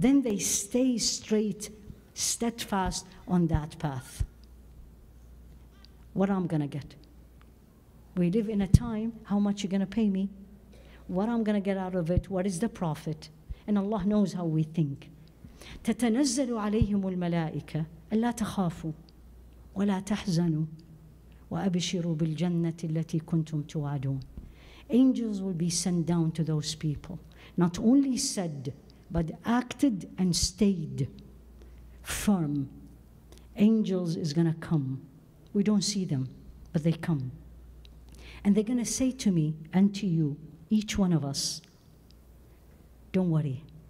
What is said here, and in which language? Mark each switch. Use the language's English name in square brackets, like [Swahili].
[English] Then they stay straight, steadfast on that path. What I'm going to get? We live in a time, how much you're going to pay me? What I'm going to get out of it? What is the profit? And Allah knows how we think. [Arabic] تتنزل عليهم الملائكة ألا تخافوا ولا تحزنوا وأبشروا بالجنة التي كنتم توعدون. [English] Angels will be sent down to those people. Not only said, but acted and stayed firm. Angels is going to come. We don't see them, but they come. And they're going to say to me and to you, each one of us, don't worry.